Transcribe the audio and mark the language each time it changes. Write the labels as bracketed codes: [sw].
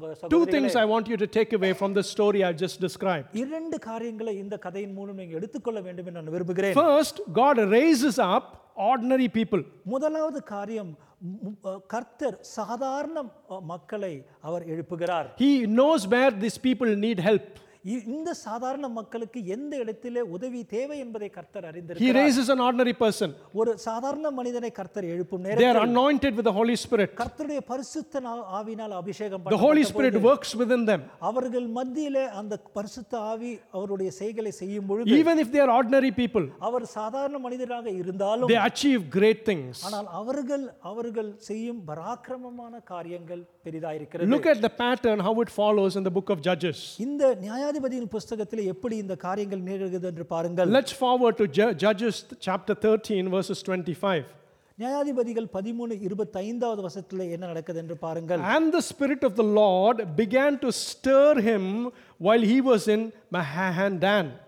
[en] two things I want you to take away from the story I just described. [ta] இரண்டு காரியங்களை இந்த கதையின் மூலம் நீங்க எடுத்துக்கொள்ள வேண்டும் என்று நான் விரும்புகிறேன். [en] First, God raises up ordinary people. [ta] முதலாவது காரியம், கர்த்தர் சாதாரண மக்களை அவர் எழுப்புகிறார். [en] He knows where these people need help. [ta] இந்த சாதாரண மக்களுக்கு எந்த இடத்திலே உதவி தேவை என்பதை கர்த்தர் அறிந்திருக்கிறார். [en] He raises an ordinary person. [ta] ஒரு சாதாரண மனிதனை கர்த்தர் எழுப்பும் நேரத்தில், [en] they are anointed with the Holy Spirit. [ta] கர்த்தருடைய பரிசுத்த ஆவியினால் அபிஷேகம் பண்ண, [en] the Holy Spirit works within them. [ta] அவர்கள் மத்தியிலே அந்த பரிசுத்த ஆவி அவருடைய செயல்களை செய்யும் பொழுது, [en] even if they are ordinary people, [ta] அவர் சாதாரண மனிதராக இருந்தாலும், [en] they achieve great things. [ta] ஆனால் அவர்கள் செய்யும் பராக்கிரமமான காரியங்கள் பெரிதாக இருக்கிறது. [en] Look at the pattern how it follows in the book of Judges. [ta] இந்த நியாயாதிபதியின் புத்தகத்தில் எப்படி இந்த காரியங்கள் நிகழ்கிறது என்று பாருங்கள். [en] Let's forward to Judges chapter 13 verses 25. [ta] நியாயாதிபதிகள் 13:25 வசனத்தில் என்ன நடக்குது என்று பாருங்கள். [en] And the spirit of the Lord began to stir him while he was in Mahanadan.